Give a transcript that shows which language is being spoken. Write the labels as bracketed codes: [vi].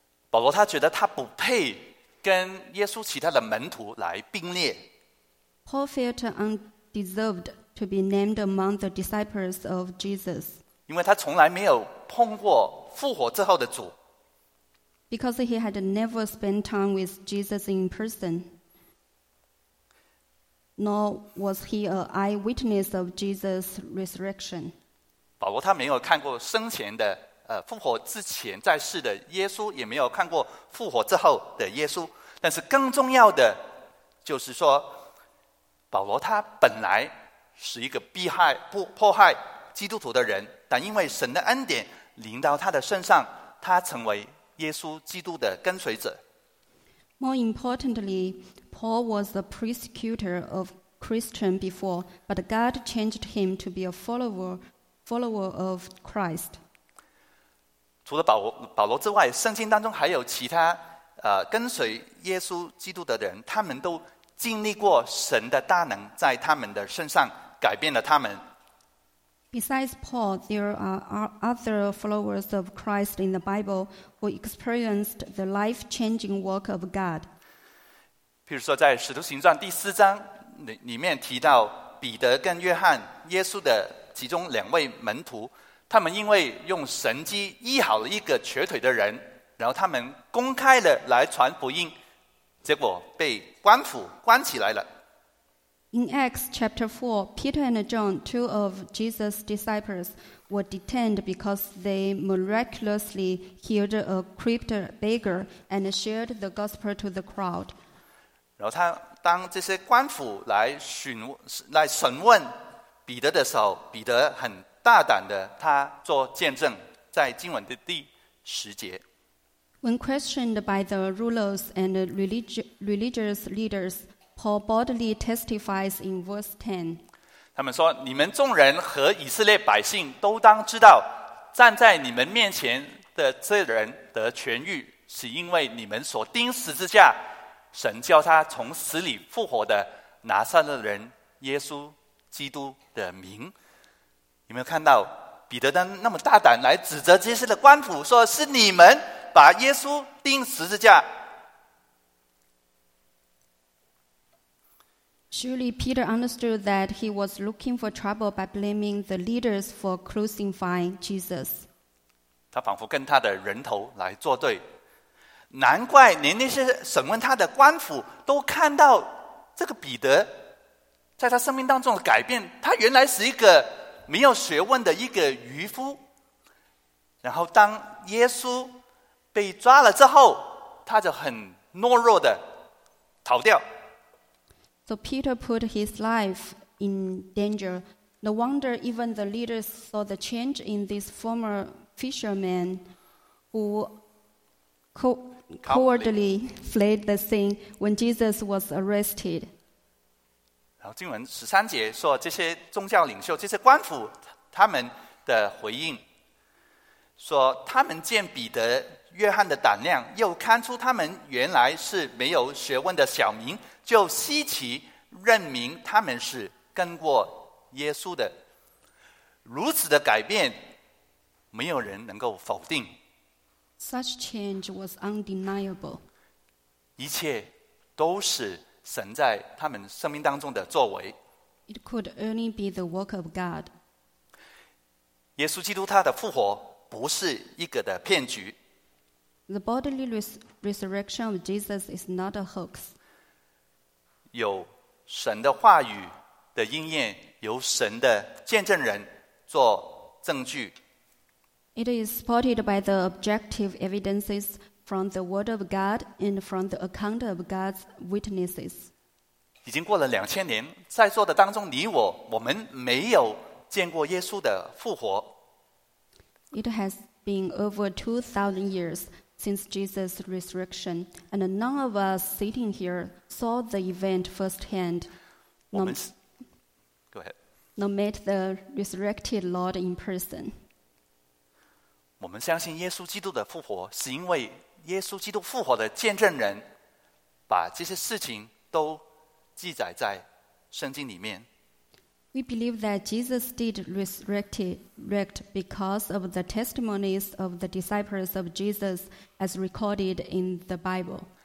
[zh] 保罗他觉得他不配跟耶稣其他的门徒来并列。 [en] Paul felt undeserved to be named among the disciples of Jesus. [zh] 因为他从来没有碰过复活之后的主。 [en] Because he had never spent time with Jesus in person, nor was he an eyewitness of Jesus' resurrection. [zh] 保罗他没有看过生前的复活之前在世的耶稣，也没有看过复活之后的耶稣。但是更重要的就是说，保罗他本来是一个迫害基督徒的人，但因为神的恩典临到他的身上，他成为耶稣基督的跟随者。 [en] More importantly, Paul was a persecutor of Christian before, but God changed him to be a follower of Christ. [zh] 除了保罗之外，圣经当中还有其他跟随耶稣基督的人，他们都经历过神的大能在他们的身上改变了他们。 [en] Besides Paul, there are other followers of Christ in the Bible who experienced the life-changing work of God. [zh] 譬如说在《使徒行传》第四章里面提到彼得跟约翰，耶稣的其中两位门徒，他们因为用神迹医好了一个瘸腿的人，然后他们公开了来传福音，结果被官府关起来了。 [en] In Acts chapter 4, Peter and John, two of Jesus' disciples, were detained because they miraculously healed a crippled beggar and shared the gospel to the crowd. [zh] 然后他当这些官府来审问彼得的时候，彼得很大胆的他做见证，在经文的第十节。 [en] When questioned by the rulers and religious leaders,Paul boldly testifies in verse 10. [zh] 他们说，你们众人和以色列百姓都当知道，站在你们面前的这人得痊愈，是因为你们所钉十字架，神叫他从死里复活的拿撒勒人耶稣基督的名。有没有看到彼得当那么大胆来指责这些的官府，说是你们把耶稣钉十字架。 [en] Surely Peter understood that he was looking for trouble by blaming the leaders for crucifying Jesus. [zh] 他仿佛跟他的人头来作对，难怪连那些审问他的官府都看到这个彼得在他生命当中的改变。他原来是一个没有学问的一个渔夫，然后当耶稣被抓了之后，他就很懦弱的逃掉。 [en] So Peter put his life in danger. No wonder even the leaders saw the change in this former fisherman who cowardly fled the scene when Jesus was arrested. [zh] 然后经文十三节说，这些宗教领袖、这些官府他们的回应，说他们见彼得约翰的胆量，又看出他们原来是没有学问的小民，就稀奇，认明他们是跟过耶稣的。如此的改变，没有人能够否定。 [en] Such change was undeniable. [zh] 一切都是神在他们生命当中的作为。 [en] It could only be the work of God. [zh] 耶稣基督他的复活不是一个的骗局。 [en] The bodily resurrection of Jesus is not a hoax. [zh] 有神的话语的应验，由神的见证人做证据。 [en] It is supported by the objective evidences from the word of God and from the account of God's witnesses. [zh] 已经过了2000年，在座的当中，你我，我们没有见过耶稣的复活。 [en] It has been over 2,000 years since Jesus' resurrection, and none of us sitting here saw the event firsthand. Nor met the resurrected Lord in person. [zh] 我们相信耶稣基督的复活，是因为耶稣基督复活的见证人把这些事情都记载在圣经里面。 [en] We believe that Jesus did resurrect because of the testimonies of the disciples of Jesus as recorded in the Bible.